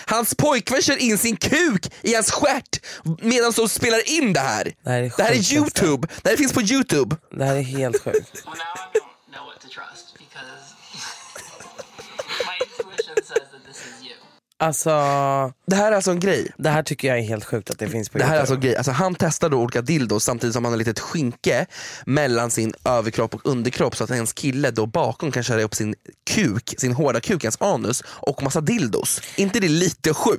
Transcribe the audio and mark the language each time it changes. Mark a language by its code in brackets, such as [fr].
[sv] Hans pojkvän kör in sin kuk i hans stjärt medan han spelar in det här. Det här är YouTube. Det här finns på YouTube. Det här är helt sjukt. [en] Well, now I don't know what to trust because my intuition says that this is you. [sv] Alltså, det här är alltså en grej. Det här tycker jag är helt sjukt att det finns på YouTube. Det här är alltså en grej. Alltså, han testar då olika dildos samtidigt som han har lite skinke mellan sin överkropp och underkropp, så att ens kille då bakom kan köra upp sin kuk, sin hårda kuk, hans anus och massa dildos. Inte det lite sjukt?